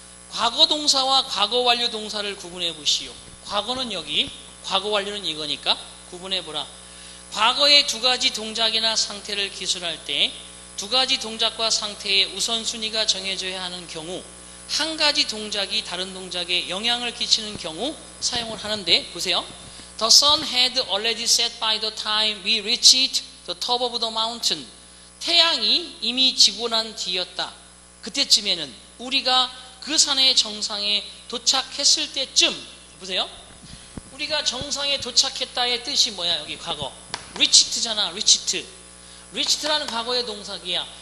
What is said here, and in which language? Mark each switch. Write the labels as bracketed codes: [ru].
[ko] 과거 동사와 과거 완료 동사를 구분해 보시오. 과거는 여기, 과거 완료는 이거니까 구분해 보라. 과거의 두 가지 동작이나 상태를 기술할 때 두 가지 동작과 상태의 우선순위가 정해져야 하는 경우 한 가지 동작이 다른 동작에 영향을 끼치는 경우 사용을 하는데 보세요. [en] The sun had already set by the time we reached the top of the mountain. [ko] 태양이 이미 지고 난 뒤였다. 그때쯤에는 우리가 그 산의 정상에 도착했을 때쯤 보세요. 우리가 정상에 도착했다의 뜻이 뭐야? 여기 과거 reached잖아. reached라는 과거의 동사기야.